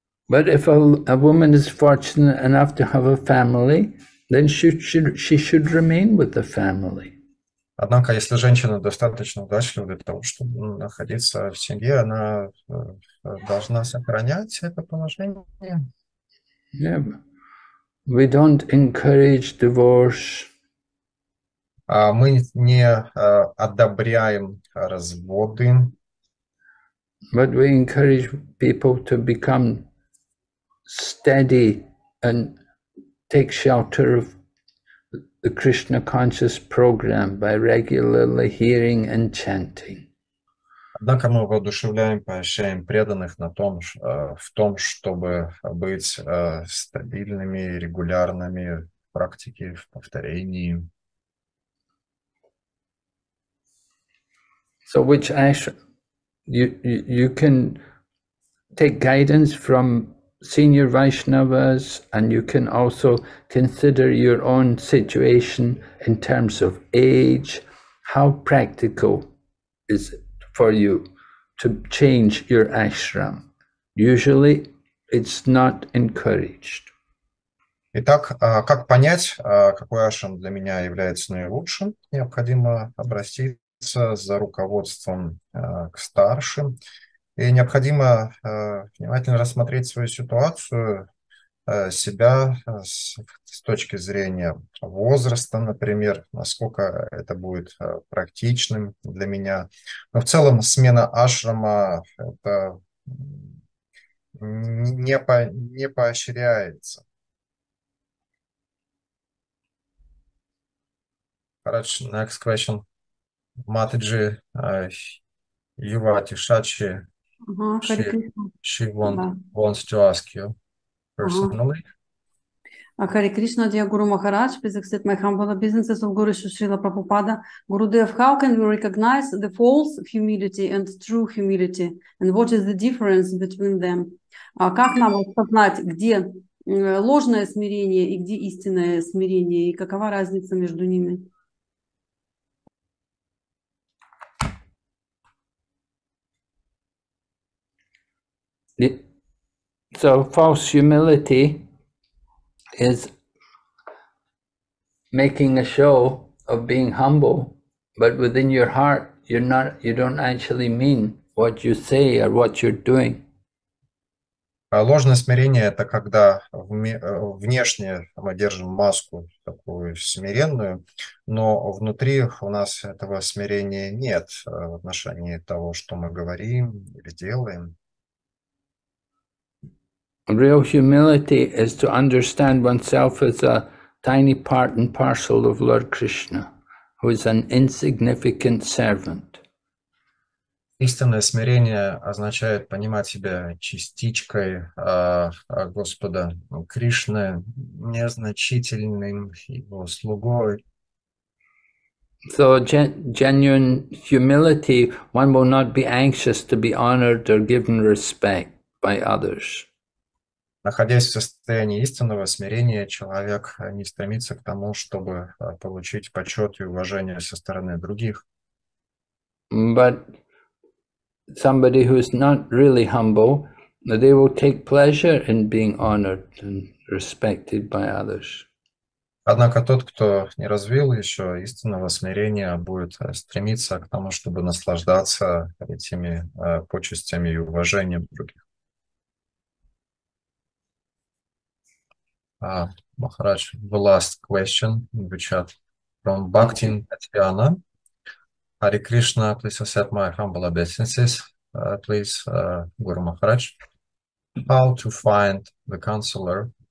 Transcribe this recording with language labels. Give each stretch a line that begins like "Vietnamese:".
English: But if a woman is fortunate enough to have a family, then she should remain with the family.
Russian: Однако, если женщина достаточно удачлива для того, чтобы находиться в семье, она должна сохранять это положение.
English: Yeah. We don't encourage divorce.
Russian: Мы не одобряем разводы.
English: But we encourage people to become steady and take shelter of the Krishna conscious program by regularly hearing and chanting.
Russian: Однако мы воодушевляем, поощряем преданных на том, в том, чтобы быть стабильными, регулярными в практике, в повторении.
English: So which you can take guidance from senior Vaishnavas, and you can also consider your own situation in terms of age. How practical is it for you to change your ashram? Usually it's not encouraged.
Russian: Итак, как понять, какой ашрам для меня является наилучшим? Необходимо обратиться за руководством к старшим. И необходимо внимательно рассмотреть свою ситуацию, себя с точки зрения возраста, например, насколько это будет практичным для меня. Но в целом смена ашрама это не поощряется. Хорошо,
English: next question.
Russian: Матиджи Ювати Шачи.
English: She wants to ask you personally. Hare Krishna, dear Guru Maharaj, please accept my humble obeisances of Guru Srila Prabhupada. Gurudev, how can we recognize the false humility and true humility? And what is the difference between them?
Russian: Как нам распознать, где ложное смирение и где истинное смирение? И какова разница между ними?
English: So false humility is making a show of being humble, but within your heart you don't actually mean what you say or what you're doing.
Russian: Ложное смирение это когда внешне мы держим маску такую смиренную, но внутри у нас этого смирения нет в отношении того, что мы говорим или делаем.
English: Real humility is to understand oneself as a tiny part and parcel of Lord Krishna, who is an insignificant servant.
Russian: Истинное смирение означает понимать себя частичкой Господа Кришны, незначительным его слугой.
English: So genuine humility, one will not be anxious to be honored or given respect by others.
Russian: Находясь в состоянии истинного смирения, человек не стремится к тому, чтобы получить почет и уважение со стороны других.
English: But somebody who is not really humble, they will take pleasure in being honored and respected by others.
Russian: Однако тот, кто не развил еще истинного смирения, будет стремиться к тому, чтобы наслаждаться этими почестями и уважением других.
English: Maharaj, the last question in the chat from Bhakti Tatiana. Hare Krishna, please accept my humble obeisances. Please, Guru Maharaj, how to find the counselor?